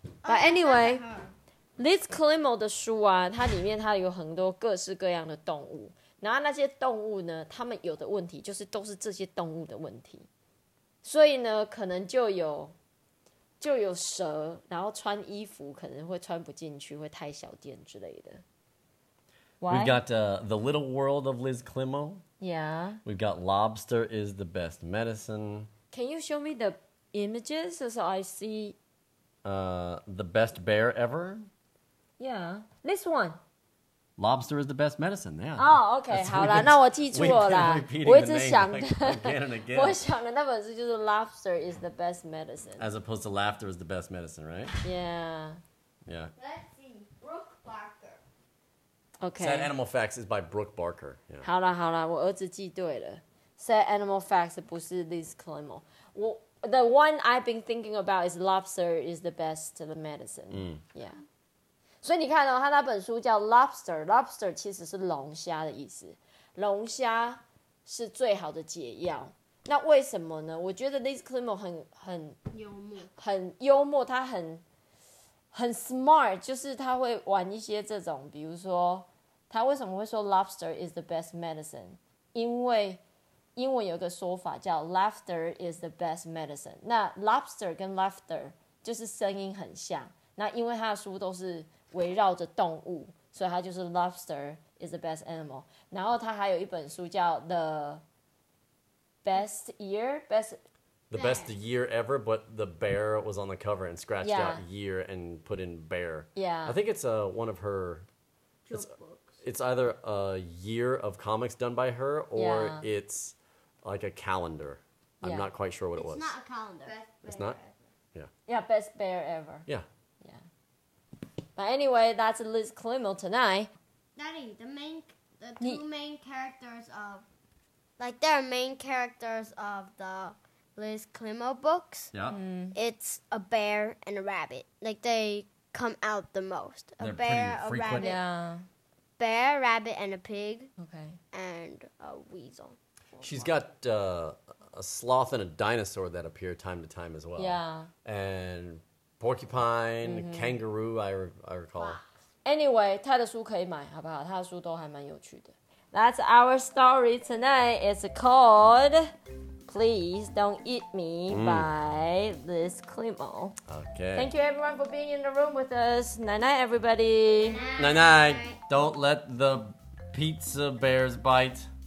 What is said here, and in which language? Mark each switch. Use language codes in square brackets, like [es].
[en] But anyway, [zh] Liz Klimo 的书啊，它里面它有很多各式各样的动物。然后那些动物呢，他们有的问题就是都是这些动物的问题，所以呢，可能就有蛇，然后穿衣服可能会穿不进去，会太小件之类的。 [en] Why? We've got The Little World of Liz Klimo. Yeah. We've got Lobster is the Best Medicine. Can you show me the images so I see? The Best Bear Ever. Yeah. This one. Lobster is the best medicine, yeah. Oh, okay, [zh] 好啦，那我记住了啦。我一直想的，我想的那本书就是 [en] Lobster is the best medicine. As opposed to laughter is the best medicine, right? Yeah. Yeah. Let's see, Brooke Barker. Okay. Sad Animal Facts is by Brooke Barker. Yeah. [zh] 好啦好啦，我儿子记对了。Sad Animal Facts 不是 Liz Klimo. [en] The one I've been thinking about is Lobster is the best medicine. Yeah. [zh] 所以你看哦，他那本书叫 Lobster， Lobster 其实是龙虾的意思，龙虾是最好的解药。那为什么呢？我觉得 Liz Klimo 很幽默，很幽默，他很 smart， 就是他会玩一些这种，比如说他为什么会说 [en] Lobster is the best medicine？ [zh] 因为英文有个说法叫 [en] Laughter is the best medicine。 [zh] 那 Lobster 跟 Laughter 就是声音很像。那因为他的书都是围绕着动物，所以他就是 [en] Lobster is the best animal。 [zh] 然后他还有一本书叫 The Best Year [en] The Best Year Ever, but the bear was on the cover and scratched out year and put in bear. Yeah, I think it's one of her. It's either a year of comics done by her or it's like a calendar. I'm not quite sure what it's was. It's not a calendar. It's not. Yeah. Best bear ever. Yeah. But anyway, that's Liz Klimo tonight. Daddy, the two main characters of... Like, there are main characters of the Liz Klimo books. Yeah. Mm. It's a bear and a rabbit. Like, they come out the most. They're a bear, pretty a frequent. Rabbit. Yeah. Bear, rabbit, and a pig. Okay. And a weasel. She's got a sloth and a dinosaur that appear time to time as well. Yeah. And... Porcupine,、mm-hmm. kangaroo, I recall. Anyway, [zh] 他的书可以买，好不好？他的书都还蛮有趣的。 [en] That's our story tonight. It's called Please Don't Eat Me by Liz Klimo. Okay. Thank you everyone for being in the room with us. Night night, everybody. Night night. Don't let the pizza bears bite.